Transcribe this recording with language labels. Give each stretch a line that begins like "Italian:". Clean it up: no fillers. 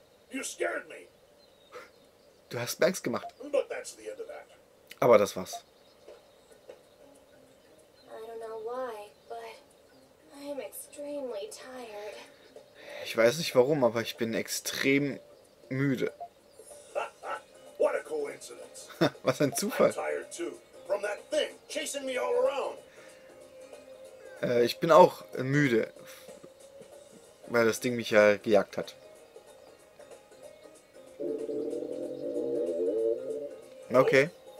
English: You scared me.
German: Du hast mir Angst gemacht.
English: But that's the end of that.
German: Aber das war's.
English: I don't know why, but I'm extremely tired.
German: Ich weiß nicht warum, aber ich bin extrem müde.
English: What a coincidence.
German: Was ein Zufall.
English: I'm tired too, from that thing chasing me all around.
German: Ich bin auch müde, weil das Ding mich ja gejagt hat. Okay.